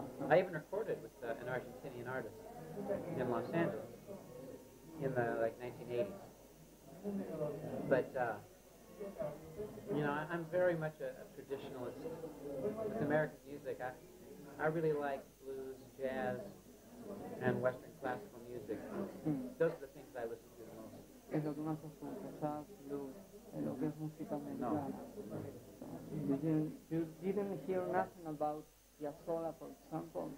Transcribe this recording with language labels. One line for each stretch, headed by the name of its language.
English: I even recorded with an Argentinian artist in Los Angeles in the like 1980s. But, you know, I'm very much a traditionalist with American music. I really like blues, jazz, and Western classical music. Those are the things I listen to the most.
Spanish: Es lo que más escucho, jazz, blues, lo que es música americana.
English: You didn't hear nothing about Piazzolla, for example?